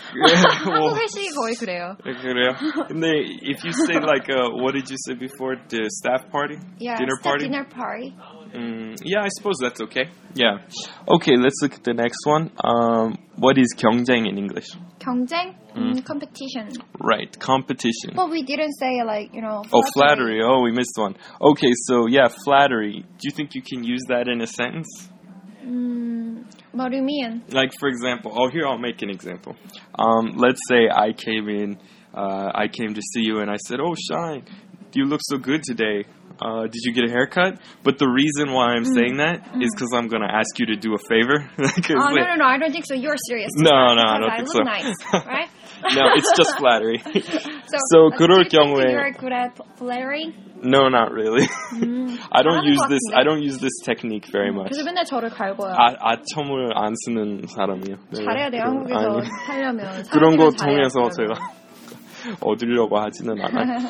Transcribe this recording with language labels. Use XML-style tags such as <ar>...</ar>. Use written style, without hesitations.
<ko>한국 회식이 거의 그래요. 네, 그래요? 근데</ko> <en>if you say like, what did you say before? The staff party? Yeah, dinner staff party? Dinner party. Yeah, I suppose that's okay. Yeah. Okay, let's look at the next one. What is 경쟁 in English? 경쟁? Competition. Right, competition. But we didn't say like, you know, flattery. Oh, flattery. Oh, we missed one. Okay, so yeah, flattery. Do you think you can use that in a sentence? What do you mean? Like, for example, oh, here, I'll make an example. Let's say I came in, I came to see you and I said, oh, Shine, you look so good today. Did you get a haircut? But the reason why I'm saying that is because I'm going to ask you to do a favor. Oh, no, no, no. I don't think so. You're serious. No, no, I don't think so. I look nice, right? No, it's just flattery. So, do you think you're good at flattery? No, not really. I don't use this. I don't use this technique very much.</en> <ko>그래서 맨날 저를 갈고요. 아, 아첨을 안 쓰는 사람이에요. 잘해야 돼요, 한국에서 살려면. 그런 거 통해서 제가. 얻으려고 하지는 않아요.</ko>